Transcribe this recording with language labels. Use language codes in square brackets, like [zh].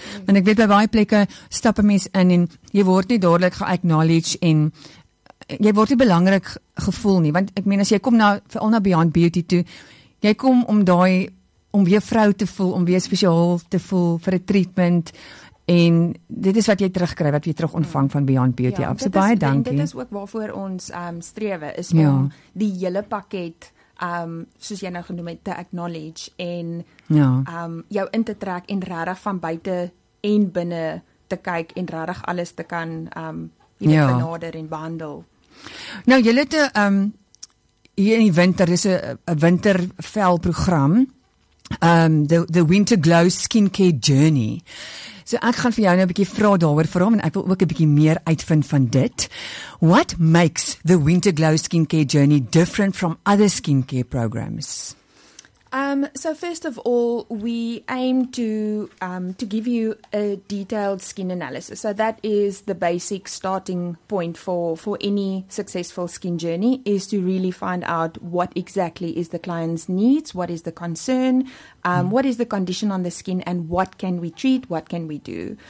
[af] Want ek weet by baie plekke stap 'n mens in en jy word nie dadelik ge-acknowledge en jy word nie belangrik gevoel nie, want ek meen as jy kom na veral na Beyond Beauty toe, jy kom om daai om weer vrou te voel, om weer spesiaal te voel vir 'n treatment en dit is wat jy terugkry, wat jy terug ontvang van Beyond Beauty ja, af. So baie dankie. Dit is ook waarvoor ons strewe is om ja. Die hele pakket soos jy nou genoem het te acknowledge en ja. Jou in te trek en regtig van buite en binne te kyk en regtig alles te kan ja. Benader en behandel. Nou, jy het hier in die winter, dis 'n wintervel program, the Winter Glow Skincare Journey. So ek gaan vir jou nou 'n bietjie vra daaroor vir hom en ek wil ook 'n bietjie meer uitvind van dit. [en] What makes the Winter Glow Skincare Journey different from other skincare programs? So first of all, we aim to give you a detailed skin analysis. So that is the basic starting point for any successful skin journey is to really find out what exactly is the client's needs, what is the concern, what is the condition on the skin, and what can we treat, what can we do.